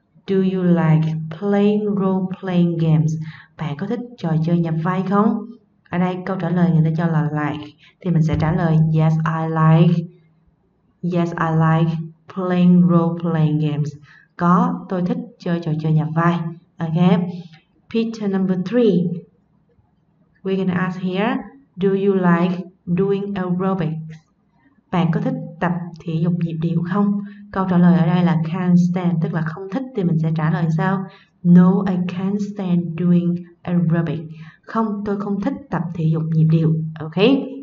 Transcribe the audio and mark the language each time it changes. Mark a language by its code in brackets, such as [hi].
[en] Do you like playing role playing games? [vi] Bạn có thích trò chơi nhập vai không? Ở đây câu trả lời người ta cho là like. Thì mình sẽ trả lời [en] Yes, I like playing role-playing games. [vi] Có, tôi thích chơi trò chơi nhập vai. [en] Okay. Picture number 3. We can ask here, do you like doing aerobics? [vi] Bạn có thích tập thể dục nhịp điệu không? Câu trả lời ở đây là can't stand, tức là không thích. Thì mình sẽ trả lời sao? [en] No, I can't stand doing aerobic. [vi] Không, tôi không thích tập thể dục nhịp điệu. Okay.